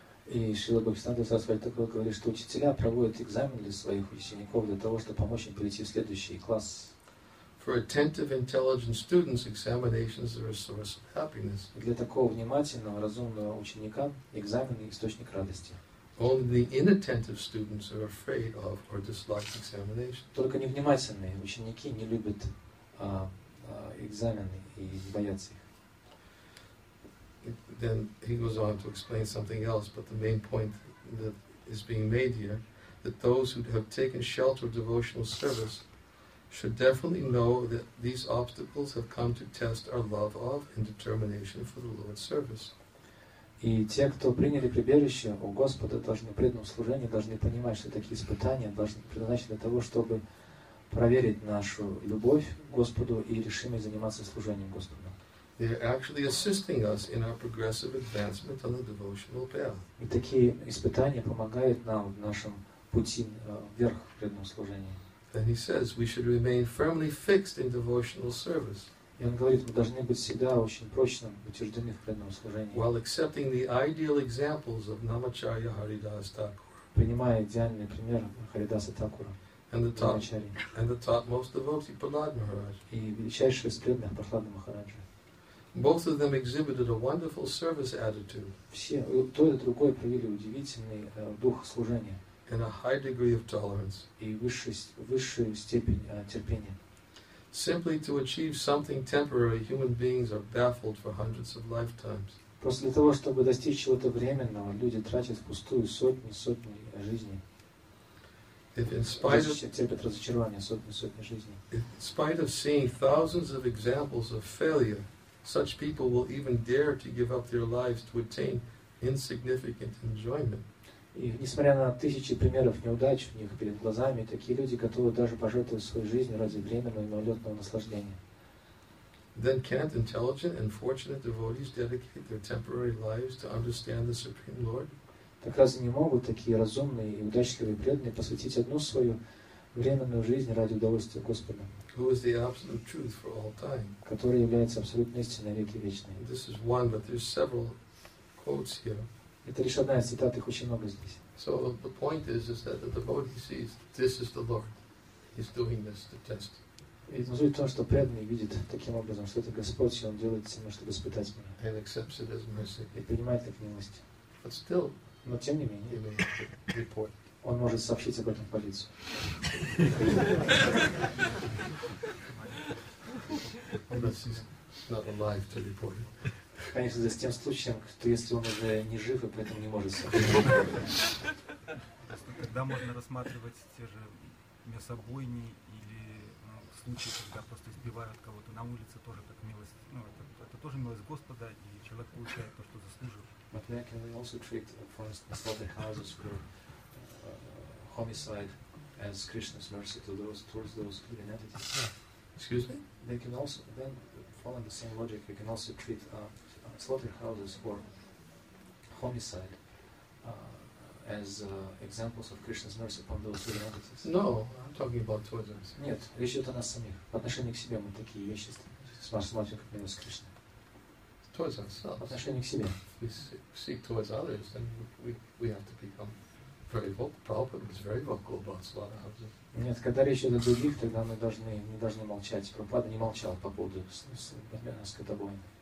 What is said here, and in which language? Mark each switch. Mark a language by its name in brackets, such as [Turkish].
[Russian] И Шрила Бхактисиддханта Сарасвати Такур говорит, что учителя проводят экзамен для своих учеников для того, чтобы помочь им перейти в следующий класс. [English] For attentive, intelligent students, examinations are a source of happiness. [Russian] Для такого внимательного, разумного ученика экзамены – источник радости. [English] Only the inattentive students are afraid of or dislike examinations. [Russian] Только невнимательные ученики не любят экзамены и боятся их. [English] Then he goes on to explain something else, but the main point that is being made here, that those who have taken shelter of devotional service should definitely know that these obstacles have come to test our love of and determination for the Lord's service. [Russian] И те, кто приняли прибежище у Господа, должны преданному служению, должны понимать, что такие испытания должны предназначены для того, чтобы проверить нашу любовь к Господу и решимость заниматься служением Господу. [English] They are actually assisting us in our progressive advancement on the devotional path. [Russian] И такие испытания помогают нам в нашем пути вверх в преданном служении. [English] Then he says we should remain firmly fixed in devotional service. [Russian] И он говорит, мы должны быть всегда очень прочно утверждены в преданном служении. [English] While accepting the ideal examples of Namacharya Haridasa Thakura. [Russian] Принимая идеальный пример Харидаса Такура. [English] And the top most devotee, Prahlad Maharaj. [Russian] И величайший из преданных Прахлада Махараджа. [English] Both of them exhibited a wonderful service attitude. [Russian] Все, то и другое проявили удивительный дух служения. [English] and a high degree of tolerance. [Russian] И высшую степень терпения. [English] Simply to achieve something temporary, human beings are baffled for hundreds of lifetimes. [Russian] Просто для того, чтобы достичь чего-то временного, люди тратят впустую сотни жизней. [English] In spite of seeing thousands of examples of failure, such people will even dare to give up their lives to attain insignificant enjoyment. [Russian] И несмотря на тысячи примеров неудач в них перед глазами, такие люди готовы даже пожертвовать свою жизнь ради временного и мимолетного наслаждения. [English] Then can't intelligent and fortunate devotees dedicate their temporary lives to understand the Supreme Lord? [Russian] Так разве не могут такие разумные и удачливые преданные посвятить одну свою временную жизнь ради удовольствия Господа? [English] Who is the absolute truth for all time? [Russian] Который является абсолютной истиной веки вечной. [English] This is one, but there's several quotes here. [Russian] Это лишь одна из цитат, их очень много здесь. [English] So the point is that the devotee sees this is the Lord. He's doing this to test. [Russian] И суть в том, что преданный видит таким образом, что это Господь, и он делает все, чтобы испытать меня. [English] And accepts it as mercy. [Russian] И принимает как милость. [English] But still. [Russian] Но тем не менее, [English] report. [Russian] Он может сообщить об этом в полицию. [English] Unless he's not alive to report. [Russian] Конечно, за тем случаем, что если он уже не жив и поэтому не может сообщить. Тогда можно рассматривать те же мясобойни или случаи, когда просто избивают кого-то на улице, тоже как милость. Ну, это тоже милость Господа, и человек получает то, что заслужил. [English] But then can we also treat, for instance, slaughterhouses for homicide as Krishna's mercy to those towards those living entities? Excuse me. They can also then, following the same logic, we can also treat slaughterhouses for homicide as examples of Krishna's mercy upon those living entities. No, I'm talking about towards us. [Russian] Нет, речь идет о нас самих. По отношению к себе мы такие вещи смотрим как милость Кришны. [English] Towards ourselves. If we seek towards others, then we have to become very vocal. Prabhupada was very vocal about slaughterhouses. [Russian] Нет, когда речь идет о других, тогда мы должны не должны молчать. Прабхупада не молчал по поводу скотобойни.